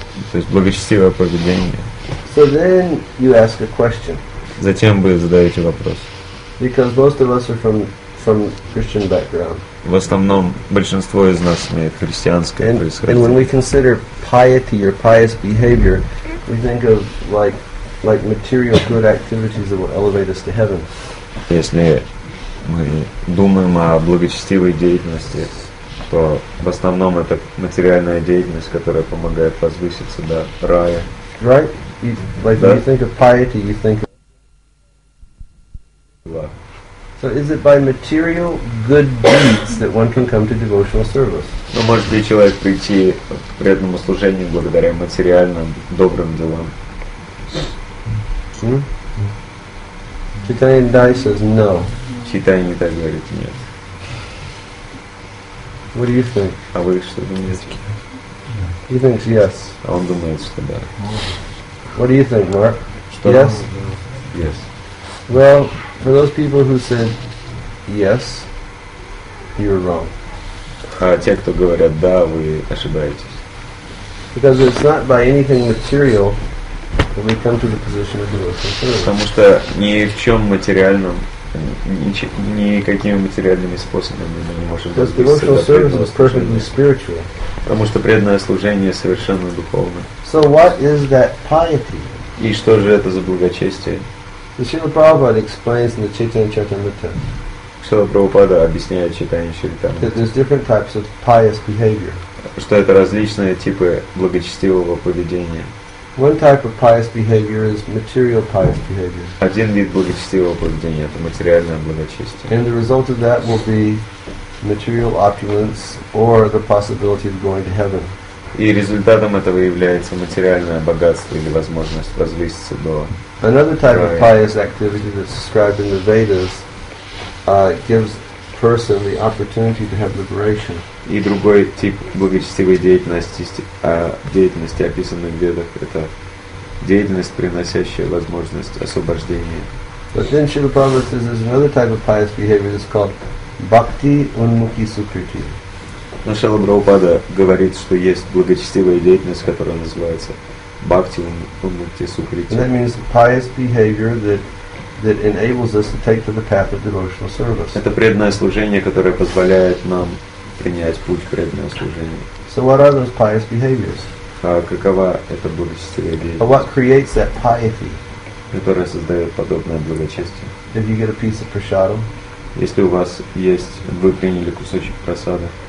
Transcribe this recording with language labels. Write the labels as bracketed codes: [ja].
[ru] То есть благочестивое поведение. [en] So then you ask a question. [ru] Затем вы задаете вопрос. [en] Because most of us are from Christian background. [ru] В основном большинство из нас имеет христианское происхождение. [en] And when we consider piety or pious behavior, we think of like material good activities that will elevate us to heaven. [ru] Если мы думаем о благочестивой деятельности, то в основном это материальная деятельность, которая помогает возвыситься до рая. [en] Right? When you think of piety, you think of... So is it by material good deeds that one can come to devotional service? [ru] Ну, может ли человек прийти к преданному служению благодаря материальным добрым делам? [en] Chaitanya Dai says no. [ru] Chaitanya Dai говорит нет. [en] What do you think? [ru] А вы что думаете? [en] He thinks yes. [ru] А он думает, что да. [en] What do you think, Mark? Yes? Yes. Well, for those people who said yes, you're wrong. [ru] А те, кто говорят да, вы ошибаетесь. [en] Because it's not by anything material that we come to the position of devotional service. [ru] Потому что ни в чем материальном, никакими материальными способами мы не можем достичь. [en] Because devotional service is perfectly spiritual. [ru] Потому что преданное служение совершенно духовное. [en] So what is that piety? [ru] И что же это за благочестие? [en] Srila Prabhupada explains in the Chaitanya Charitamrita. [ru] Srila Prabhupada объясняет Chaitanya Charitamrita. [en] That there's different types of pious behavior. [ru] Что это различные типы благочестивого поведения. [en] One type of pious behavior is material pious behavior. [ru] Один вид благочестивого поведения — это материальное благочестие. [en] And the result of that will be material opulence or the possibility of going to heaven. [ru] И результатом этого является материальное богатство или возможность возвыситься до рая. [en] Another type of pious activity that's described in the Vedas gives person the opportunity to have liberation. [ru] И другой тип благочестивой деятельности, описанной в Ведах, это деятельность, приносящая возможность освобождения. [en] But then Srila Prabhupada says there's another type of pious behavior that's called bhakti unmukhi sukriti. [ru] Но Шрила Прабхупада говорит, что есть благочестивая деятельность, которая называется бхакти унмукти сукрити. [en] That means pious behavior that enables us to take to the path of devotional service. [ru] Это преданное служение, которое позволяет нам принять путь к преданному служению. [en] So what are those pious behaviors? [ru] А какова эта благочестивая деятельность? [en] Or what creates that piety? [ru] Которая создает подобное благочестие. [en] If you get a piece of prasadam. [ru] Если у вас есть, вы приняли кусочек прасада.